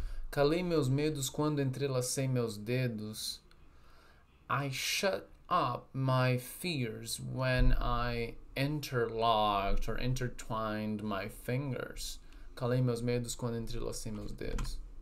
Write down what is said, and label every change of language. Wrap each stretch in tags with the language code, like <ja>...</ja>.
<pt>Calei meus medos quando entrelacei meus dedos.</pt> <en>I shut up my fears when I interlocked or intertwined my fingers.</en> <pt>Calei meus medos quando entrelacei meus dedos.</pt>